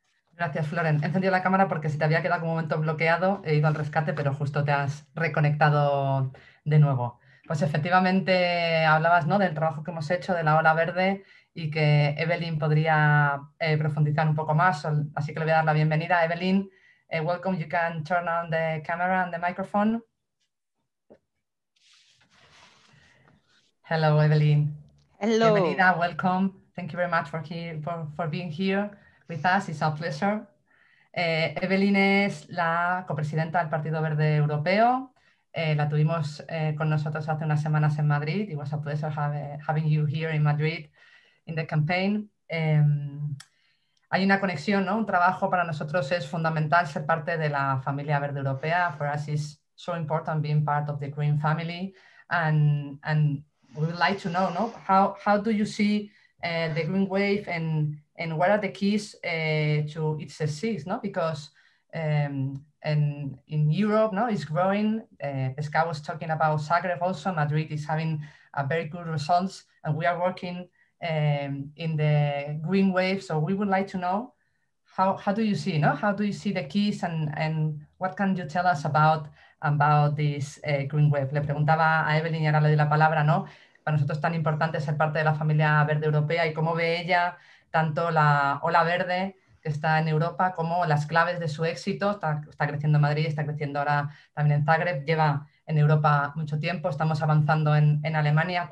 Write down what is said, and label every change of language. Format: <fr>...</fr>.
<es>Gracias, Florent. He encendido la cámara porque si te había quedado un momento bloqueado, he ido al rescate, pero justo te has reconectado de nuevo. Pues efectivamente hablabas, ¿no?, del trabajo que hemos hecho, de la Ola Verde, y que Evelyn podría profundizar un poco más, así que le voy a dar la bienvenida.</es> <en>Evelyn, welcome, you can turn on the camera and the microphone. Hello, Evelyn. Hello.</en> <es>Bienvenida,</es> <en>welcome. Thank you very much for being here with us. It's a pleasure.</en> <es>Evelyn es la copresidenta del Partido Verde Europeo. La tuvimos con nosotros hace unas semanas en Madrid.</es> <en>It was a pleasure having you here in Madrid in the campaign.</en> <es>Hay una conexión, ¿no? Un trabajo para nosotros es fundamental ser parte de la familia verde europea.</es> <en>For us, it's so important being part of the Green Family. And we would like to know, no? How do you see the Green Wave and what are the keys to its success, no? Because in Europe, no, it's growing. Pescar was talking about Zagreb also. Madrid is having a very good results, and we are working in the Green Wave. So we would like to know how do you see, no? How do you see the keys and what can you tell us about this Green Wave?</en> <es>Le preguntaba a Evelyn y ahora le doy la palabra, no? Para nosotros es tan importante ser parte de la familia verde europea y cómo ve ella tanto la Ola Verde que está en Europa como las claves de su éxito. Está creciendo en Madrid, está creciendo ahora también en Zagreb, lleva en Europa mucho tiempo, estamos avanzando en Alemania.</es>